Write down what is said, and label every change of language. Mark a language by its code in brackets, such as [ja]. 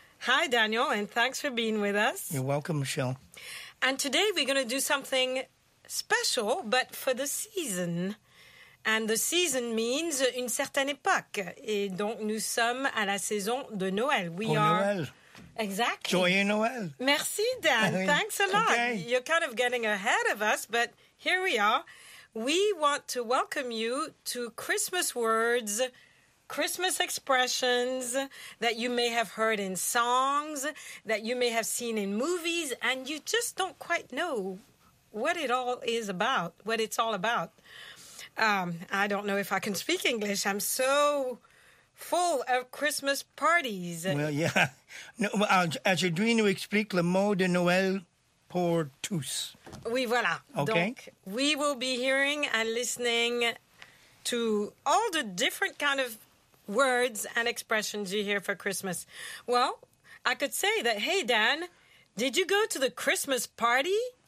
[en] Hi, Daniel, and thanks for being with us. You're welcome, Michel. And today we're going to do something special, but for the season. And the season means une certaine époque. [fr] Et donc, nous sommes à la saison de Noël. Noël. [en] Exactly. [fr] Joyeux Noël. [en] Merci, Dan. Thanks a lot. Okay. You're kind of getting ahead of us, but here we are. We want to welcome you to Christmas words, Christmas expressions that you may have heard in songs, that you may have seen in movies, and you just don't quite know what it all is about, what it's all about. I don't know if I can speak English. I'm so full of Christmas parties. Well, yeah. [fr] No, as je viens nous explique le mot de Noël pour tous. Oui, voilà. [en] Okay. Donc, we will be hearing and listening to all the different kind of words and expressions you hear for Christmas. Well, I could say that, hey, Dan, did you go to the Christmas party?